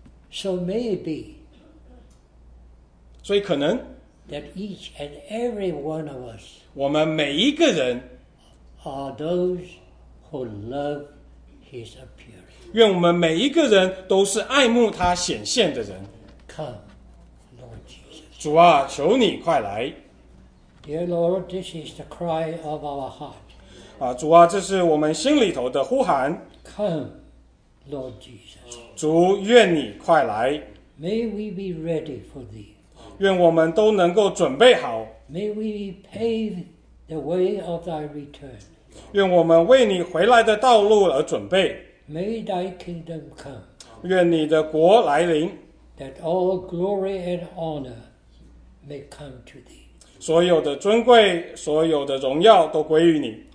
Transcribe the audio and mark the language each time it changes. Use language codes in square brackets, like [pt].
[en] So maybe, [zh] 所以可能 [en] that each and every one of us [zh] 我们每一个人 [en] are those who love his appearing. [zh] 愿我们每一个人都是爱慕他显现的人。 [en] Come, Lord Jesus. [zh] 主啊，求你快来。 [en] Dear Lord, this is the cry of our heart. [zh] 主啊，这是我们心里头的呼喊。 [en] Come, Lord Jesus. [zh] 主，愿你快来。 [en] May we be ready for thee. [zh] 愿我们都能够准备好。 [en] May we pave the way of thy return. [zh] 愿我们为你回来的道路而准备。 [en] May thy kingdom come. [zh] 愿你的国来临。 [en] That all glory and honor may come to thee. [zh] 所有的尊贵，所有的荣耀都归于你。